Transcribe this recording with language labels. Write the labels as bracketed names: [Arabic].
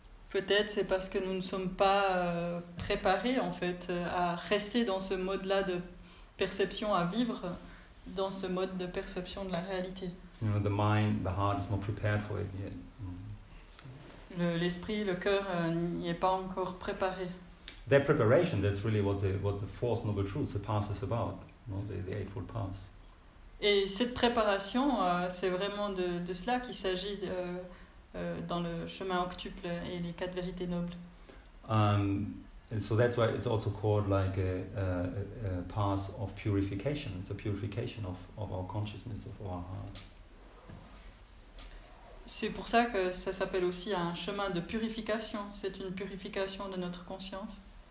[French] Peut-être c'est parce que nous ne sommes pas préparés en fait à rester dans ce mode là de perception à vivre dans ce mode de perception de la réalité. [English] You know, the mind, the heart is not prepared for it yet. [French] L'esprit, le cœur n'y est pas encore préparé. [English] That preparation, that's really what the Fourth Noble Truth, the path is about, you know, the Eightfold Path. [French] Et cette préparation, c'est vraiment de cela qu'il s'agit dans le chemin octuple et les quatre vérités nobles. [English] And so that's why it's also called like a path of purification. It's a purification of our consciousness, of our heart. [French] C'est pour ça que ça s'appelle aussi un chemin de purification. C'est une purification de notre conscience.